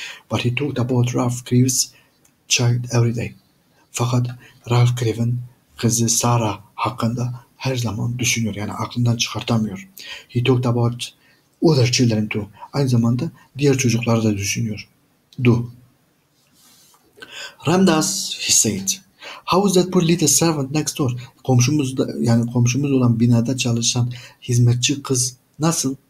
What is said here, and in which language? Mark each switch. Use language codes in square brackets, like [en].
[en] But he talked about Ralph Cleave's child every day. [tr] Fakat Ralph Cleave'in kızı Sarah hakkında her zaman düşünüyor. Yani aklından çıkartamıyor. [en] He talked about other children too. [tr] Aynı zamanda diğer çocukları da düşünüyor. [en] Do. Ramdas, he said. How is that poor little servant next door? [tr] Komşumuz da, yani komşumuz olan binada çalışan hizmetçi kız nasıl?